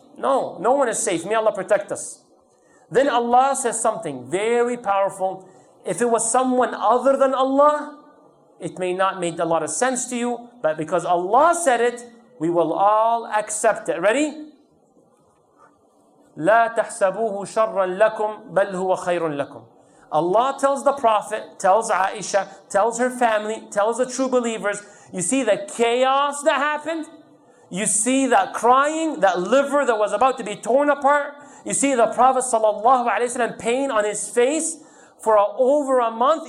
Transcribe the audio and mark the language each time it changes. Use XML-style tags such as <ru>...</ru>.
<en>No, no one is safe. May Allah protect us. Then Allah says something very powerful. If it was someone other than Allah, it may not make a lot of sense to you, but because Allah said it, we will all accept it. Ready?</en> <ar>لا تحسبوه شرا لكم بل هو خير لكم.</ar> <en>Allah tells the Prophet, tells Aisha, tells her family, tells the true believers, you see the chaos that happened? You see that crying, that liver that was about to be torn apart? You see the Prophet sallallahu alaihi wasallam pain on his face for over a month?</en>